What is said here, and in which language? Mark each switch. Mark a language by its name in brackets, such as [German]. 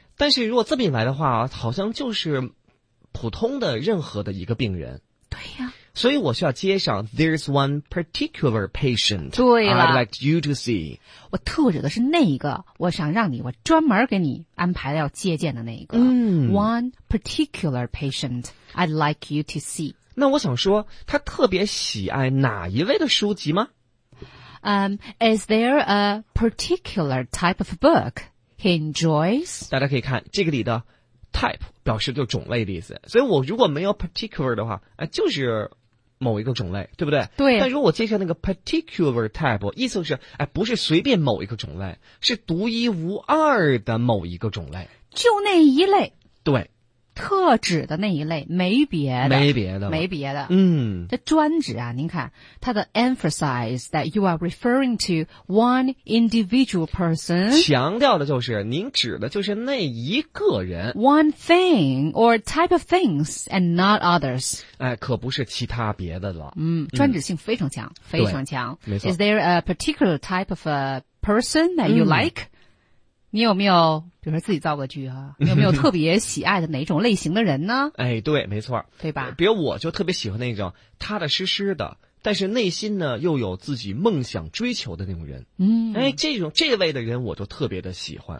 [Chinese] 但是如果这么一来的话，好像就是普通的任何的一个病人。对呀、啊。所以我需要接上 [English] There's one particular patient。 [Chinese] 对了。 [English] I'd like you to see。 [Chinese] 我特指的是那一个，我想让你，我专门给你安排要接见的那一个。 [English] One particular patient I'd like you to see。 [Chinese] 那我想说他特别喜爱哪一类的书籍吗？ [English] Is there a particular type of book he enjoys? [Chinese] 大家可以看这个里的 type 表示就种类的意思，所以我如果没有 particular 的话、就是某一个种类，对不对？对。但如果我介绍那个 particular type， 意思就是、不是随便某一个种类，是独一无二的某一个种类，就那一类，对，特指的那一类，没别的，没别的，没别的。嗯，这专指啊，您看它的 [English] emphasize that you are referring to one individual person， [Chinese] 强调的就是您指的就是那一个人。 [English] One thing or type of things and not others。 [Chinese] 哎，可不是其他别的了。专指性非常强，非常强。没错。 [English] Is there a particular type of a person that you like？ [Chinese] 你有没有比如说自己造个句啊，你有没有特别喜爱的哪种类型的人呢？哎，对，没错，对吧？比如我就特别喜欢那种踏踏实实的，但是内心呢又有自己梦想追求的那种人。嗯，哎，这种这位的人我就特别的喜欢。